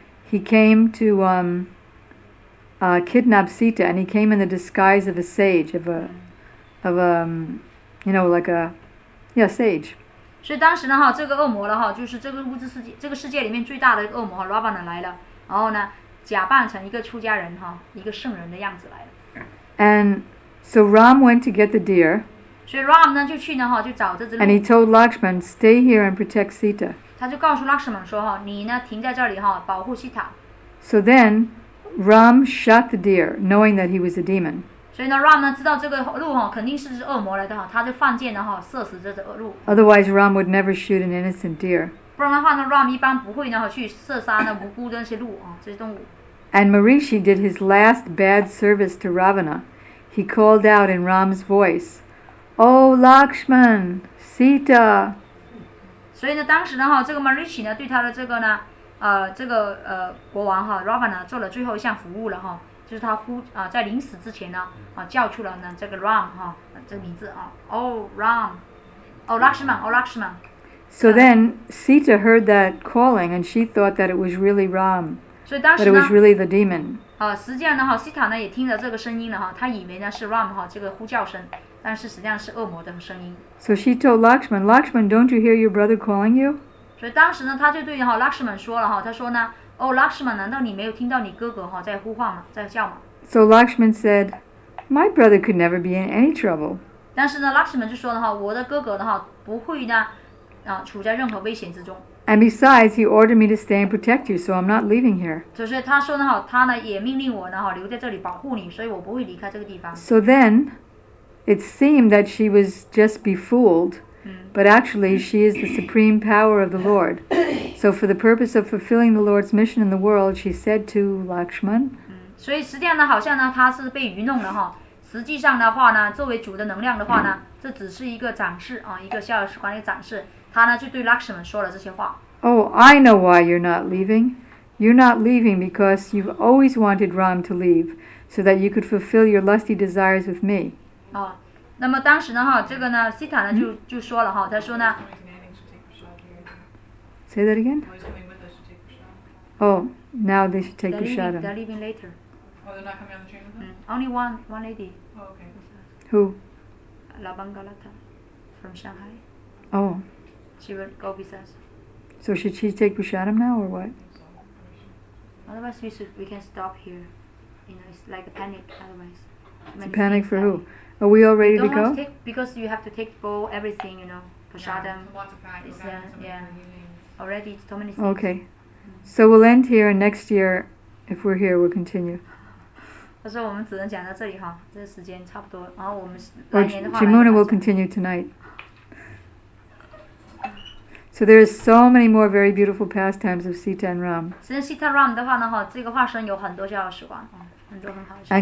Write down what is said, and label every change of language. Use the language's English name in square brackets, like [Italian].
[English] He came to kidnap Sita, and he came in the disguise of a sage, sage. [Chinese] 所以当时呢哈，这个恶魔了哈，就是这个物质世界，这个世界里面最大的恶魔哈 ，Ravana 来了，然后呢，假扮成一个出家人哈，一个圣人的样子来了。 [English] And so Ram went to get the deer. [Chinese] 所以 Ram 呢就去呢哈，就找这只。 [English] And he told Lakshman, "Stay here and protect Sita." [Chinese] 他就告诉 Lakshman 说哈，你呢停在这里哈，保护 Sita. [English] So then. Ram shot the deer, knowing that he was a demon. [Chinese] 所以呢 ，Ram 呢知道这个鹿哈肯定是只恶魔来的哈，他就放箭然后射死这只鹿。 [English] Otherwise, Ram would never shoot an innocent deer. [Chinese] 不然的话呢 ，Ram 一般不会然后去射杀那无辜的那些鹿啊，这些动物。 [English] And Marichi did his last bad service to Ravana. He called out in Ram's voice, "Oh Lakshman, Sita." [Chinese] 所以呢，当时呢哈，这个 Marichi 呢对他的这个呢。这个国王哈 ，Ravana 做了最后一项服务了哈，就是他在临死之前呢，叫出了呢这个 Ram 哈，这个名字啊 ，Oh Ram，Oh Lakshman，Oh Lakshman。 [English] So then Sita heard that calling and she thought that it was really Ram， [Chinese] 所以当时呢 [English] ，but it was really the demon。 [Chinese] 实际上呢哈 ，Sita 呢也听着这个声音了哈，她以为呢是 Ram 哈这个呼叫声，但是实际上是恶魔的声音。 [English] So she told Lakshman，Lakshman，don't you hear your brother calling you？ [Chinese] 所以当时呢，他就对哈 Lakshman 说了哈，他说呢，哦 Lakshman， 难道你没有听到你哥哥哈在呼唤吗，在叫吗 [English] ？So Lakshman said, "My brother could never be in any trouble." [Chinese] 但是呢 ，Lakshman 就说了哈，我的哥哥的哈不会呢啊处在任何危险之中。 [English] And besides, he ordered me to stay and protect you, so I'm not leaving here. [Chinese] 就是他说呢哈，他呢也命令我呢哈留在这里保护你，所以我不会离开这个地方。 [English] So then, it seemed that she was just befooled. But actually, she is the supreme power of the Lord. So for the purpose of fulfilling the Lord's mission in the world, she said to Lakshman, [Chinese] 所以实际上呢，好像呢，他是被愚弄了哈。实际上的话呢，作为主的能量的话呢，这只是一个展示啊，一个逍遥时光的展示。他呢就对 Lakshman 说了这些话。 [English] Oh, I know why you're not leaving. You're not leaving because you've always wanted Ram to leave so that you could fulfill your lusty desires with me. [Chinese] 啊。那么当时呢哈，这个呢，西塔呢就说了哈，他说呢 [English] ，Say that again. Oh, now they should take a shot. They're leaving later. Oh, they're not coming on the train with them. Only one lady. Oh, okay. Who? La Bangalata, from Shanghai. Oh. She will go with us. So should she take a shot now or what? Otherwise, we can stop here. You know, it's like a panic. Otherwise. It's a panic for who? Are we all ready to go? Because you have to take bowl, everything, you know, prasadam. Yeah, already it's so many things. Okay. So we'll end here, and next year, if we're here, we'll continue. [Chinese] 他说我们只能讲到这里哈，这时间差不多。然后我们来年的话 [English] ，Jimuna will continue tonight. So there are so many more very beautiful pastimes of Sita and Ram. [Chinese] 其实 Sita Ram 的话呢，哈，这个化身有很多逍遥时光，很多很好的时光。